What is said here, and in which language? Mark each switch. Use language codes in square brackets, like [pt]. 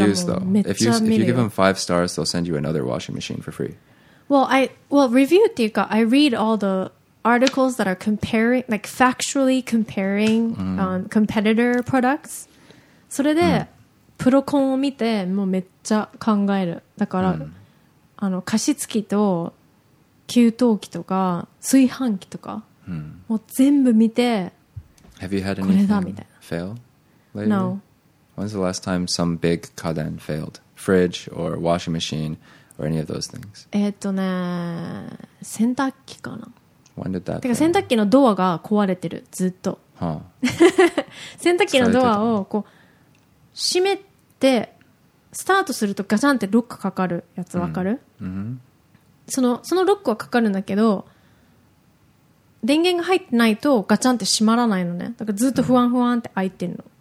[en] They're all fake reviews though. If you give them 5 stars, they'll send you another washing machine for free. Well, review [ja] っていうか [en] I read all the articles that are comparing, like factually comparing、mm. Competitor products. [ja] それで、 [en] mm. [ja] プロコンを見てもうめっちゃ考えるだから、うん、あの加湿器と給湯器とか炊飯器とか、うん、もう全部見て [en] Have you had anything [ja] これだみたいな [en] fail lately? No When's the last time some big 家電 failed? Fridge or washing machine or any of those things? [ja] ね洗濯機かな [en] When did that [ja] てか洗濯機のドアが壊れてるずっと、 huh. 洗濯機のドアをこう閉めてスタートするとガチャンってロックかかるやつわかる、うんうん、そのロックはかかるんだけど電源が入ってないとガチャンって閉まらないのねだからずっと不安不安って開いてるの、